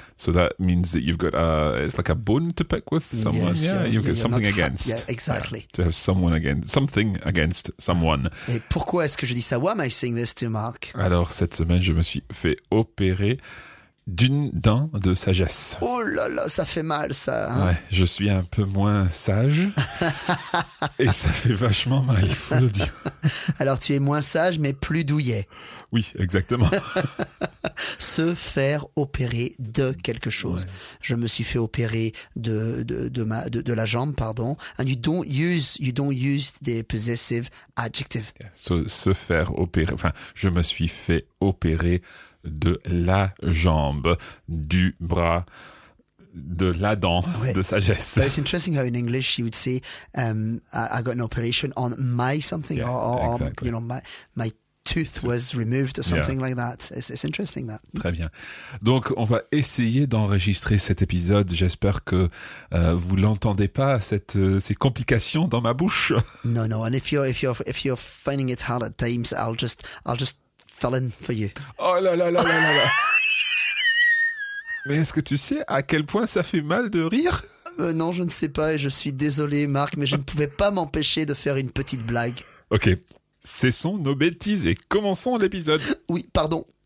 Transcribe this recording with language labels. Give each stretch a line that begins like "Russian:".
English: So that means that you've got a, it's like a bone to pick with someone. Yes, you've got something against. Yeah, exactly. To have someone against, something against someone.
French: Et pourquoi est-ce que je dis ça?
English: Why am I saying this to Mark?
French: Alors, cette semaine, je me suis fait opérer d'une dent de sagesse. Oh là là, ça fait mal ça. Ouais, je suis un peu moins sage et ça fait vachement mal, il faut le dire. Alors tu es moins sage mais plus douillet. Oui, exactement. Se faire opérer de quelque chose. Ouais. Je me suis fait opérer de la jambe.
English: And you don't use the possessive adjective.
French: Se faire opérer, enfin je me suis fait opérer de la jambe, du bras, de la dent, ouais, de sagesse.
English: So it's interesting how in English you would say I got an operation on my something, yeah, or exactly. You know, my tooth was removed or something like that. It's interesting that.
French: Très bien. Donc on va essayer d'enregistrer cet épisode. J'espère que vous l'entendez pas ces complications dans ma bouche.
English: No. And if you're finding it hard at times, I'll just fell in for you.
French: Oh là là là là là là. Mais est-ce que tu sais à quel point ça fait mal de rire ? Non, je ne sais pas et je suis désolé, Marc, mais je ne pouvais pas m'empêcher de faire une petite blague. Ok, cessons nos bêtises et commençons l'épisode. Oui, pardon.